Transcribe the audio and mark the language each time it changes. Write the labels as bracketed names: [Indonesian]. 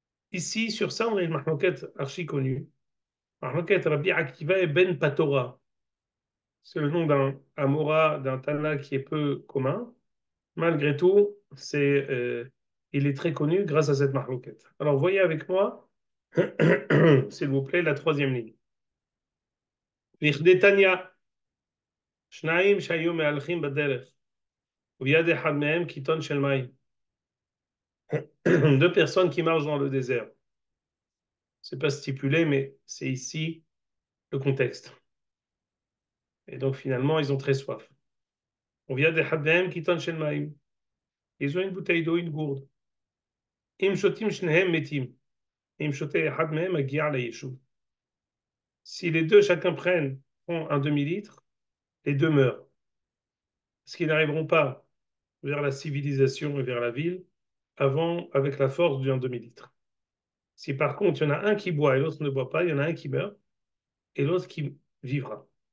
[French] Ici, sur ça, on a une mahloket archi connue. Mahloket Rabbi Akiva et Ben Patora. C'est le nom d'un Amora, d'un Tana qui est peu commun. Malgré tout, il est très connu grâce à cette mahloket. Alors, voyez avec moi, s'il vous plaît, la troisième ligne. Lichdei Tanya. [Hebrew] שניים שהיו מהלכים בדרך, וביד אחד מהם קיטון של מים. [French] Deux personnes qui marchent dans le désert. Ce n'est pas stipulé, mais c'est ici le contexte. Et donc finalement, ils ont très soif. [Hebrew] וביד אחד מהם קיטון של מים. [French] ils ont une bouteille d'eau, une gourde. [Hebrew] אם שותים שניהם מתים. אם שותה אחד מהם מגיע ליישוב. [French] Si les deux, chacun prennent, ont un demi-litre, les deux meurent. Est-ce qu'ils n'arriveront pas vers la civilisation et vers la ville avant, avec la force d'un demi-litre? Si par contre, il y en a un qui boit et l'autre ne boit pas, il y en a un qui meurt et l'autre qui vivra.